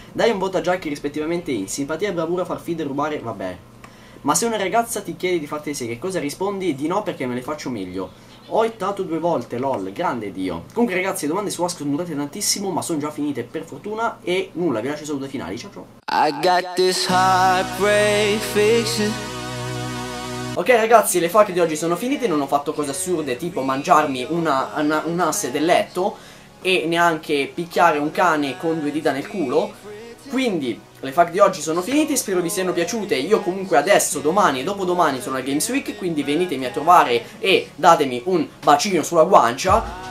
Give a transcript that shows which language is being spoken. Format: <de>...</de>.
<it>Dai un voto a Jackie rispettivamente in simpatia e bravura, far feed e rubare, vabbè. Ma se una ragazza ti chiede di farti le seghe, cosa rispondi? Di no, perché me le faccio meglio. Ho ittato due volte, lol, grande Dio. Comunque ragazzi, domande su Ask sono durate tantissimo, ma sono già finite per fortuna. E nulla, vi lascio i saluti finali, ciao ciao.</it> <en>I got this heartbreak fiction.</en> <it>Ok ragazzi, le fac di oggi sono finite. Non ho fatto cose assurde tipo mangiarmi un'asse del letto e neanche picchiare un cane con due dita nel culo. Quindi le fac di oggi sono finite, spero vi siano piaciute. Io comunque adesso, domani e dopodomani sono al Games Week, quindi venitemi a trovare e datemi un bacino sulla guancia.</it>